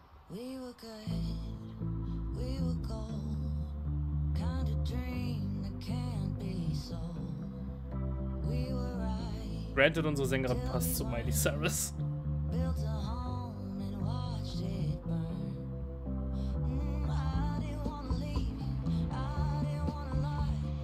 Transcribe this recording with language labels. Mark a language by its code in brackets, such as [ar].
[en] We were good, we were gold. Kind of dream that can't be sold. We were right. [de] Granted, unsere Sängerin passt zu Miley Cyrus. [en] Built a home and watched it burn. I didn't wanna leave, I didn't wanna lie.